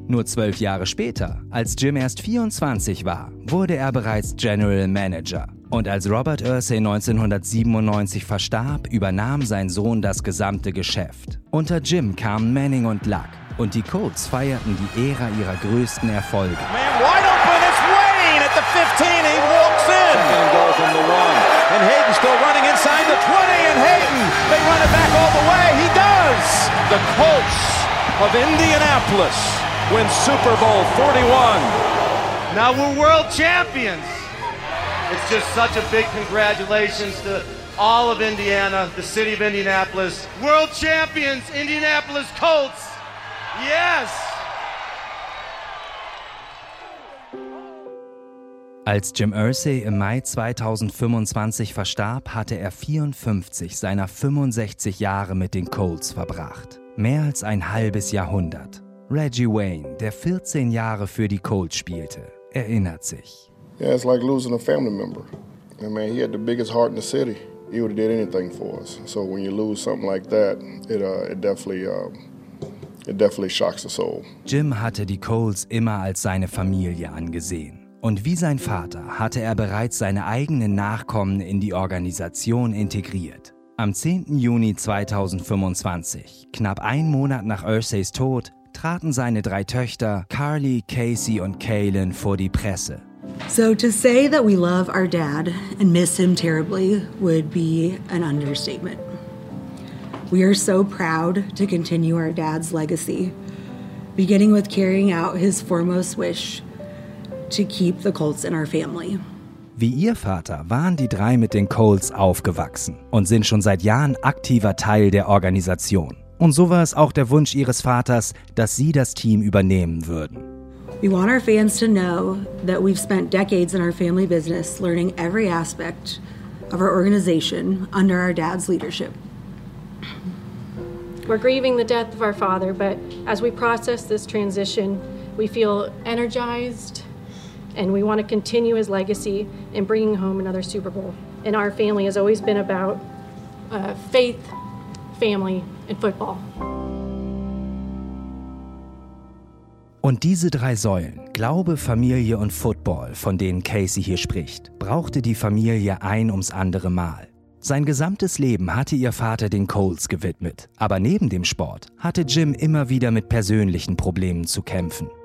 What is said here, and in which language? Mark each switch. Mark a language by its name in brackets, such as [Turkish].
[German] Nur 12 Jahre später, als Jim erst 24 war, wurde er bereits General Manager. Und als Robert Irsay 1997 verstarb, übernahm sein Sohn das gesamte Geschäft. Unter Jim kamen Manning und Luck und die Colts feierten die Ära ihrer größten Erfolge. [English] Man, wide open, it's Wayne at the 15, he walks in! Second goal from the one. And Hayden's still running inside the 20, and Hayden, they run it back all the way, he does! The Colts of Indianapolis win Super Bowl 41. Now we're world champions! It's just such a big congratulations to all of Indiana, the city of Indianapolis. World champions, Indianapolis Colts! Yes! [German] Als Jim Irsay im Mai 2025 verstarb, hatte er 54 seiner 65 Jahre mit den Colts verbracht. Mehr als ein halbes Jahrhundert. Reggie Wayne, der 14 Jahre für die Colts spielte, erinnert sich. [English] Yeah, it's like losing a family member. I mean, he had the biggest heart in the city. He would have did anything for us. So when you lose something like that, it definitely shocks the soul. [German] Jim hatte die Colts immer als seine Familie angesehen. Und wie sein Vater hatte er bereits seine eigenen Nachkommen in die Organisation integriert. Am 10. Juni 2025, knapp einen Monat nach Irsays Tod, traten seine 3 Töchter, Carly, Casey und Kaylin, vor die Presse. [English] So to say that we love our dad and miss him terribly would be an understatement. We are so proud to continue our dad's legacy, beginning with carrying out his foremost wish to keep the Colts in our family. [German] Wie ihr Vater waren die drei mit den Coles aufgewachsen und sind schon seit Jahren aktiver Teil der Organisation. Und so war es auch der Wunsch ihres Vaters, dass sie das Team übernehmen würden. [English] We want our fans to know that we've spent decades in our family business learning every aspect of our organization under our dad's leadership. We're grieving the death of our father, but as we process this transition, we feel energized and we want to continue his legacy in bringing home another Super Bowl. And our family has always been about faith, family, and football. [German] Und diese drei Säulen, Glaube, Familie und Football, von denen Casey hier spricht, brauchte die Familie ein ums andere Mal. Sein gesamtes Leben hatte ihr Vater den Coles gewidmet. Aber neben dem Sport hatte Jim immer wieder mit persönlichen Problemen zu kämpfen.